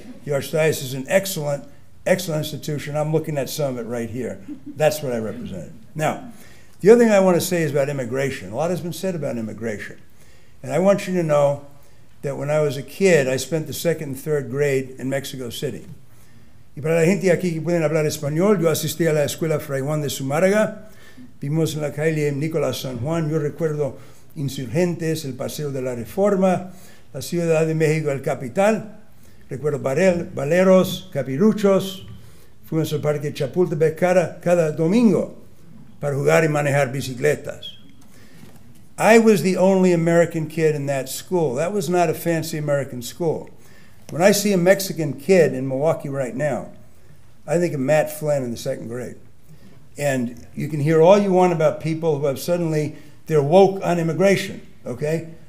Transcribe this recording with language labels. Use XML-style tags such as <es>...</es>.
<en>The Archdiocese is an excellent, excellent institution. I'm looking at some of it right here. That's what I represented. Now, the other thing I want to say is about immigration. A lot has been said about immigration. And I want you to know that when I was a kid, I spent the second and third grade in Mexico City.</en> <es>Y para la gente aquí que pueden hablar español, yo asistí a la escuela Fray Juan de Zumárraga. Vimos en la calle Nicolás San Juan. Yo recuerdo Insurgentes, el Paseo de la Reforma, la Ciudad de México, el Capital. Recuerdo Valeros, Capiruchos. Fuimos al Parque Chapultepec cada domingo para jugar y manejar bicicletas.</es> <en>I was the only American kid in that school. That was not a fancy American school. When I see a Mexican kid in Milwaukee right now, I think of Matt Flynn in the second grade. And you can hear all you want about people who have suddenly, they're woke on immigration, okay?</en>